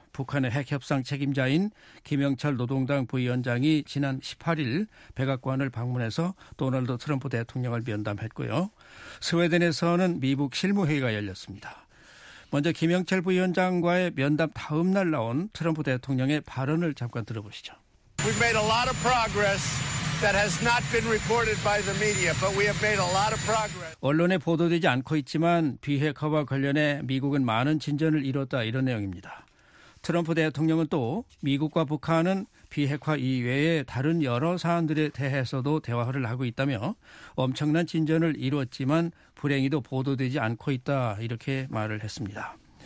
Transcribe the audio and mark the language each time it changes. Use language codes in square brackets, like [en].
[ko] 북한의 핵협상 책임자인 김영철 노동당 부위원장이 지난 18일 백악관을 방문해서 도널드 트럼프 대통령을 면담했고요. 스웨덴에서는 미북 실무회의가 열렸습니다. 먼저 김영철 부위원장과의 면담 다음 날 나온 트럼프 대통령의 발언을 잠깐 들어보시죠. [en] We've made a lot of progress that has not been reported by the media, but we have made a lot of progress. [ko] 언론에 보도되지 않고 있지만 비핵화와 관련해 미국은 많은 진전을 이뤘다 이런 내용입니다. 트럼프 대통령은 또 미국과 북한은 비핵화 이외에 다른 여러 사안들에 대해서도 대화를 하고 있다며 엄청난 진전을 이뤘지만 불행히도 보도되지 않고 있다 이렇게 말을 했습니다.